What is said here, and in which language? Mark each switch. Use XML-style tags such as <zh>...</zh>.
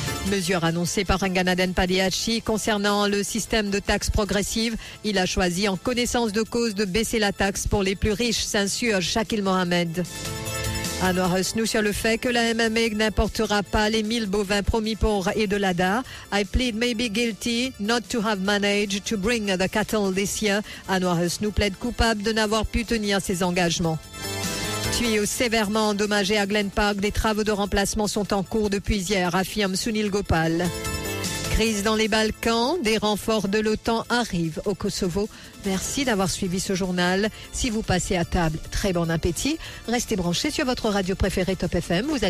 <fr>Mesure annoncée par Ranganathan Padiachi concernant le système de taxes progressives. Il a choisi en connaissance de cause de baisser la taxe pour les plus riches, s'insurge Shakeel Mohamed. Anwar Hosnou sur le fait que la MMA n'importera pas les 1000 bovins promis pour Idolada.</fr> <en>I plead maybe guilty not to have managed to bring the cattle this year.</en> <fr>Anwar Hosnou plaide coupable de n'avoir pu tenir ses engagements. Tuyau sévèrement endommagé à Glen Park, des travaux de remplacement sont en cours depuis hier, affirme Sunil Gopal. Crise dans les Balkans, des renforts de l'OTAN arrivent au Kosovo. Merci d'avoir suivi ce journal. Si vous passez à table, très bon appétit. Restez branchés sur votre radio préférée Top FM. Vous allez</fr>